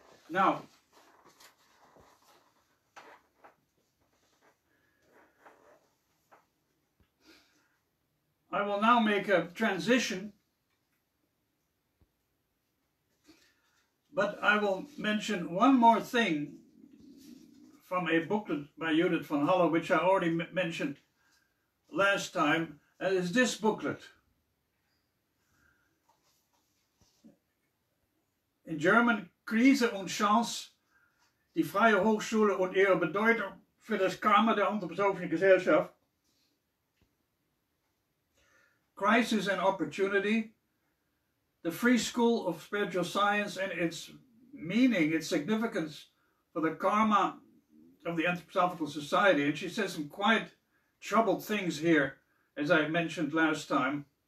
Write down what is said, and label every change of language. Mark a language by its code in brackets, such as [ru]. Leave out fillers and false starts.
[en] Now, I will now make a transition, but I will mention one more thing from a booklet by Judith von Halle, which I already mentioned last time, and is this booklet. In German, [de] Krise und Chance, die Freie Hochschule und ihre Bedeutung für das Karma der anthroposophischen Gesellschaft. [en] Crisis and Opportunity, the Free School of Spiritual Science and its meaning, its significance for the karma of the Anthroposophical Society. And she says some quite troubled things here, as I mentioned last time.